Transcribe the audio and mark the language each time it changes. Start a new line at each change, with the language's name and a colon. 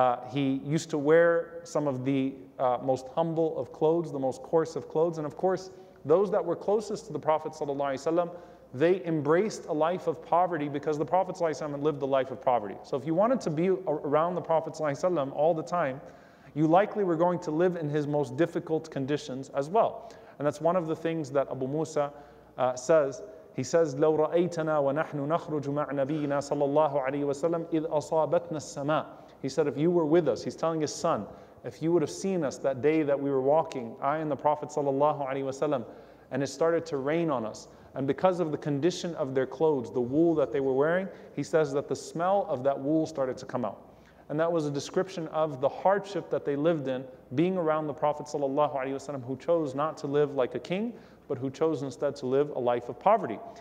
English: He used to wear some of the most humble of clothes, the most coarse of clothes, and of course, those that were closest to the Prophet sallallahu alaihi wasallam, they embraced a life of poverty because the Prophet ﷺ lived the life of poverty. So if you wanted to be around the Prophet ﷺ all the time, you likely were going to live in his most difficult conditions as well. And that's one of the things that Abu Musa says.
Arabic: He says, لَوْ رَأَيْتَنَا وَنَحْنُ نَخْرُجُ مَعْ نَبِيِّنَا صَلَى اللَّهُ عَلَيْهِ وَسَلَّمْ إِذْ أَصَابَتْنَا السَّمَاءِ.
English: He said, if you were with us, he's telling his son, if you would have seen us that day that we were walking, I and the Prophet ﷺ, and it started to rain on us. And because of the condition of their clothes, the wool that they were wearing, he says that the smell of that wool started to come out. And that was a description of the hardship that they lived in, being around the Prophet sallallahu alaihi wasallam, who chose not to live like a king, but who chose instead to live a life of poverty.